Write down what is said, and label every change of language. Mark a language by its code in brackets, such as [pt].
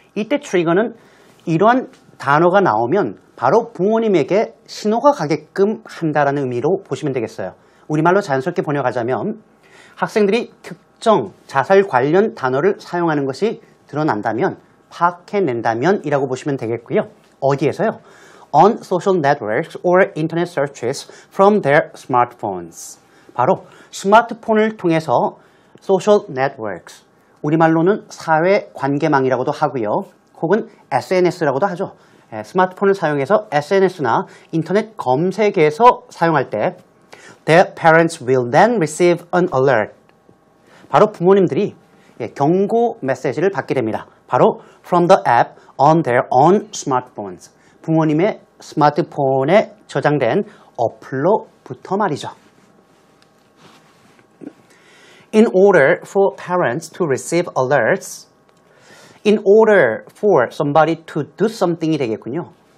[ko] 이때 trigger는 이러한 단어가 나오면 바로 부모님에게 신호가 가게끔 한다라는 의미로 보시면 되겠어요. 우리말로 자연스럽게 번역하자면 학생들이 특정 자살 관련 단어를 사용하는 것이 드러난다면, 파악해낸다면 이라고 보시면 되겠고요. 어디에서요? [en] On social networks or internet searches from their smartphones. [ko] 바로 스마트폰을 통해서 social networks, 우리말로는 사회관계망이라고도 하고요. 혹은 SNS라고도 하죠. 스마트폰을 사용해서 SNS나 인터넷 검색에서 사용할 때 [en] their parents will then receive an alert. [ko] 바로 부모님들이 경고 메시지를 받게 됩니다. [en] 바로 from the app on their own smartphones. [ko] 부모님의 스마트폰에 저장된 어플로부터 말이죠. [en] In order for parents to receive alerts, in order for somebody to do something이 [ko] 되겠군요.